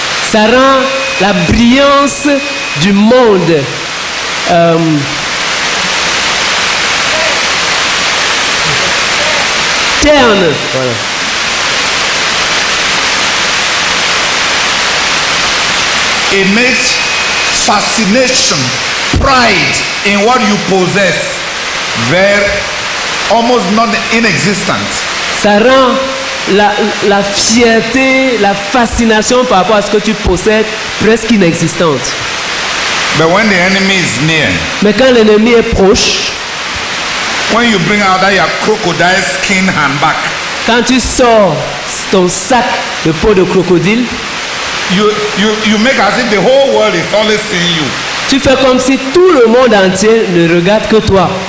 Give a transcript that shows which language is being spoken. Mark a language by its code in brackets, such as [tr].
[fr] Ça rend la brillance du monde terne. Voilà. [en] It makes fascination, pride in what you possess, very almost non-existent. [fr] Ça rend la fierté, la fascination par rapport à ce que tu possèdes presque inexistante. [en] But when the enemy is near, [fr] mais quand l'ennemi est proche, [en] when you bring out that your crocodile skin and back, [fr] quand tu sors ton sac de peau de crocodile, [en] you make as if the whole world is only seeing you. [fr] Tu fais comme si tout le monde entier ne regarde que toi.